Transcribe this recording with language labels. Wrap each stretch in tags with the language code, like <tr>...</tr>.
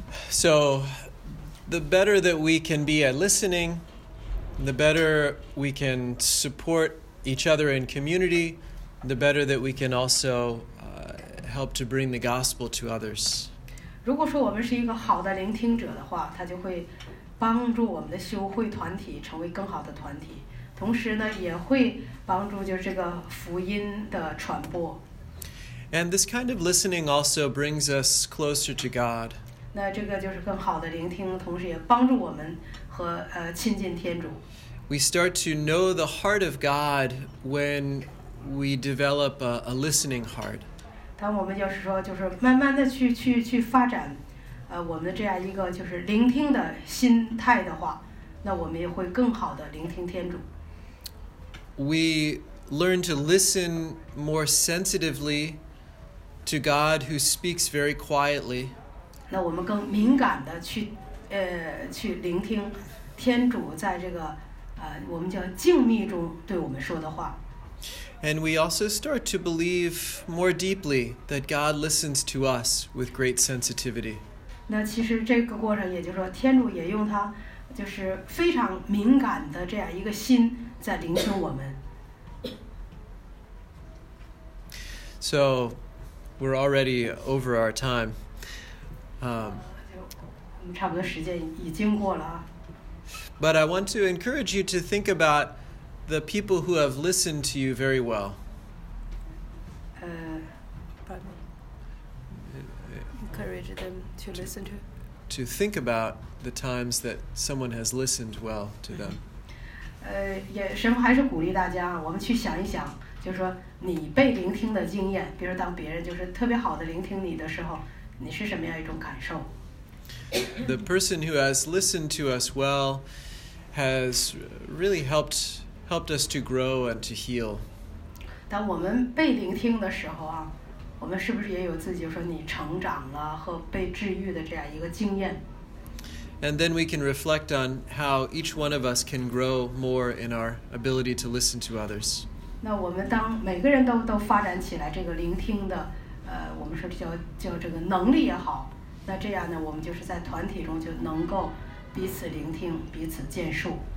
<en>So, the better that we can be at listening, the better we can support each other in community, the better that we can also help to bring the gospel to others.</en> <zh>如果说我们是一个好的聆听者的话，他就会帮助我们的修会团体成为更好的团体，同时呢，也会帮助就是这个福音的传播。</zh> <en>And this kind of listening also brings us closer to God.</en> <zh>那这个就是更好的聆听，同时也帮助我们和亲近天主。</zh> <en>We start to know the heart of God when we develop a listening heart.</en> <zh>当我们就是说，就是慢慢的去发展。我们这样一个就是聆听的心态的话，那我们也会更好的聆听天主。</zh> <en>We learn to listen more sensitively to God who speaks very quietly.</en> <zh>那我们更敏感的去聆听天主在这个我们叫静谧中对我们说的话。</zh> <en>And we also start to believe more deeply that God listens to us with great sensitivity.</en> <zh>那其实这个过程，也就是说，天主也用他就是非常敏感的这样一个心在聆听我们。</zh> <en>So, we're already over our time.</en> <zh>我们差不多时间已经过了。</zh> <en>But I want to encourage you to think about the people who have listened to you very well. Encourage them to listen to. To think about the times that someone has listened well to them.</en> <zh>也神父还是鼓励大家，我们去想一想，就是说你被聆听的经验，比如当别人就是特别好的聆听你的时候，你是什么样一种感受？</zh> <en>The person who has listened to us well has really helped us to grow and to heal.</en> <zh>当我们被聆听的时候啊。我们是不是也有自己就说你成长了和被治愈的这样一个经验</zh> <en>？And then we can reflect on how each one of us can grow more in our ability to listen to others.</en> <zh>那我们当每个人都发展起来这个聆听的，我们说叫这个能力也好，那这样呢，我们就是在团体中就能够彼此聆听，彼此建树。</zh>